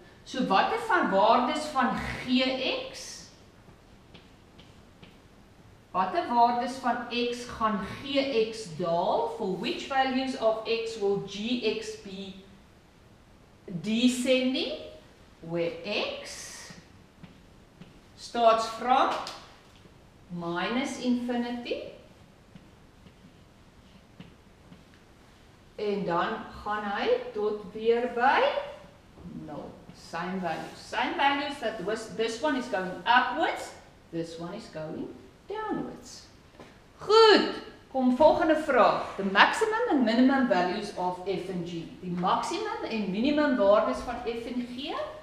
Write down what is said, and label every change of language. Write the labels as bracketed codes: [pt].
[af] So watter van waardes van gx? Watter waardes van x gaan gx daal? [en] For which values of x will gx be descending? Where x starts from minus infinity. [af] En dan gaan hy tot weer by 0. [en] Same values. Same values that this one is going upwards, this one is going downwards. [af] Goed, kom volgende vraag. [en] The maximum and minimum values of f and g. [af] Die maximum en minimum waardes van f en g.